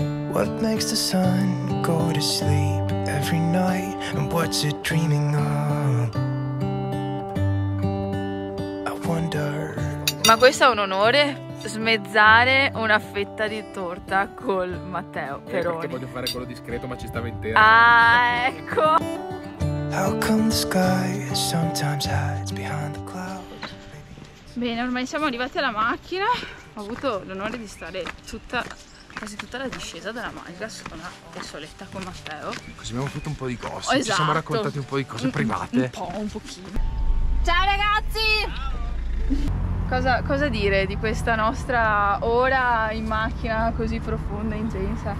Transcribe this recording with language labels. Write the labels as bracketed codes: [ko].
[en] What makes the sun go to sleep every night, and what's it dreaming of? I wonder. [it] Ma questo è un onore, smezzare una fetta di torta col Matteo Peroni. Perché voglio fare quello discreto, ma ci stava intero. Ah, ecco. [en] How come the sky sometimes hides behind the clouds? [it] Bene, ormai siamo arrivati alla macchina. Ho avuto l'onore di stare tutta, quasi tutta la discesa della Malga sola e soletta con Matteo. Così abbiamo fatto un po' di cose. Oh, esatto. Ci siamo raccontati un po' di cose private. Un pochino. Ciao ragazzi! Ciao. Cosa dire di questa nostra ora in macchina così profonda e intensa?